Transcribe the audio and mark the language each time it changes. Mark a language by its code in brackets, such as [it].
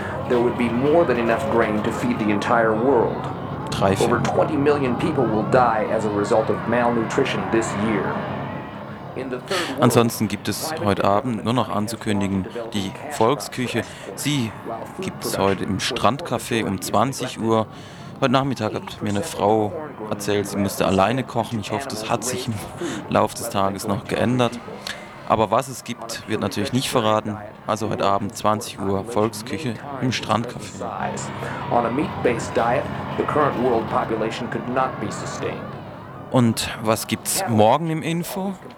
[en] There would be more than enough grain to feed the entire world. Over 20 million people will die as a result of malnutrition this year. [de] Ansonsten gibt es heute Abend nur noch anzukündigen die Volksküche. Sie gibt es heute im Strandcafé um 20 Uhr. Heute Nachmittag hat mir eine Frau erzählt, sie musste alleine kochen. Ich hoffe, das hat sich im Laufe des Tages noch geändert. Aber was es gibt, wird natürlich nicht verraten. Also heute Abend 20 Uhr Volksküche im Strandcafé. [en] On a meat-based diet, the current world population could not be sustained. [de] Und was gibt's morgen im Info?